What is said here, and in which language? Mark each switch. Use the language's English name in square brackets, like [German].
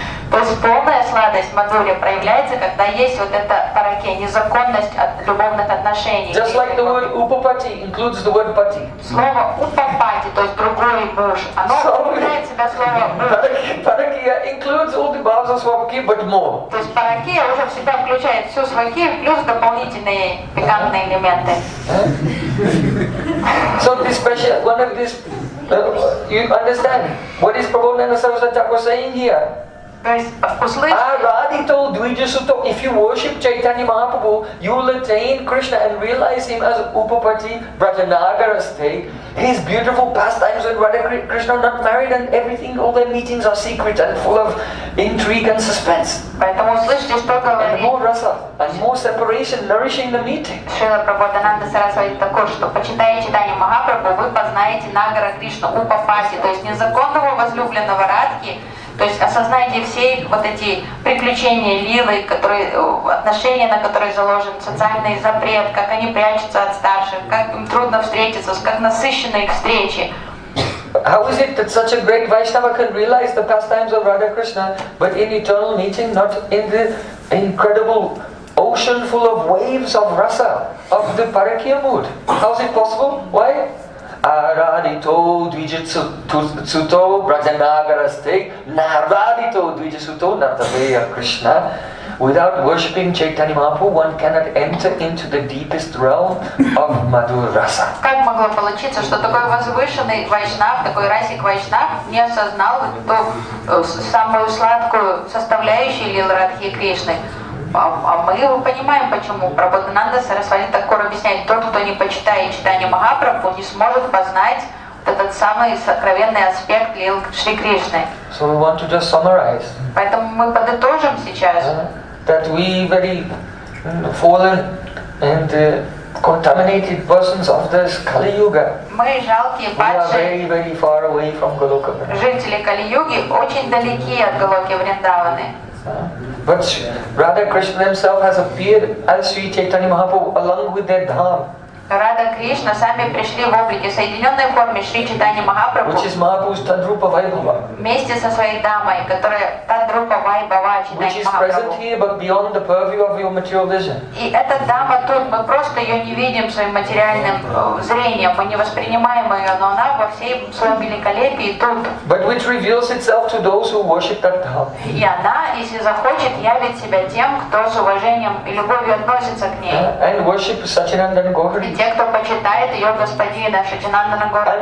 [Russian] То есть полная сладость Мадхурья проявляется, когда есть вот эта параке, незаконность от любовных отношений. [English] Just like the word upapati includes the word pati. [Russian] Слово upapati, то есть другой муж, оно включает себя слово [English] Паракия includes all the bhavas of свакхи, but more. [Russian] То есть паракия уже в себя включает всю свакхи плюс дополнительные пикантные элементы. [English] So this special, one of this, you understand what is Prabhupada Saraswati was saying here? If you worship Chaitanya Mahaprabhu, you will attain Krishna and realize him as Upapati Brajanagara state. His beautiful pastimes when Radha Krishna not married and everything, all their meetings are secret and full of intrigue and suspense. And more rasa, and more separation nourishing the meeting. [Russian] Шрила Прабхупада Сарасвати такой, что почитая Чайтанья Махапрабху, вы познаете Нагара Кришна Упапати, то есть незаконного возлюбленного Радхи. То есть осознайте все вот эти приключения лилы, которые, отношения, на которые заложен социальный запрет, как они прячутся от старших, как им трудно встретиться, как насыщены их встречи. [English] How is it that such a great Vaishnava can realize the pastimes of Radha Krishna, but in eternal meeting, not in the incredible ocean full of waves of rasa, of the parakya mood? How is it possible? Why? [Sanskrit] Aradito dvijasuto brajanagaraste naradito dvijasuto nartaveya Krishna. [English] Without worshipping Chaitanya Mahaprabhu, one cannot enter into the deepest realm of madhura rasa. [Russian] Как могло получиться, что такой возвышенный вайшнав, такой расик вайшнав, не осознал ту самую сладкую составляющую лилы Радхи Кришны? А мы его понимаем, почему Прабхупада Сарасвати Такур объясняет, тот, кто не почитает читание Махапрабху, не сможет познать вот этот самый сокровенный аспект лил Шри Кришны. [English] So we want to just summarize. [Russian] Поэтому мы подытожим сейчас. [English] That we very fallen and contaminated persons of this Kali Yuga. [Russian] Мы жалкие падшие. [English] We are very, very far away from Голока. [Russian] Жители Кали Юги очень далеки от Голоки Вриндаваны. [English] But Radha Krishna himself has appeared as Sri Chaitanya Mahaprabhu along with their dham. [Russian] Radha Krishna сами пришли в облике, соединенной форме Шри Чайтанья Махапрабху. [English] Which is Mahaprabhu's Tadrupa Vaibhava. [Russian] Вместе со своей дамой, которая Tadrupa Vaibhava Chaitanya Mahaprabhu. [English] Which is present here, but beyond the purview of your material vision. [Russian] И эта дама тут, мы просто ее не видим своим материальным зрением, мы не воспринимаем ее, но она во всей своем великолепии тут. [English] But which reveals itself to those who worship that dham. [Russian] И она, если захочет, явит себя тем, кто с уважением и любовью относится к ней. [English] And worship Sachinanda Gohari. [Russian] И те, кто почитает ее господина Шачинандана Гора.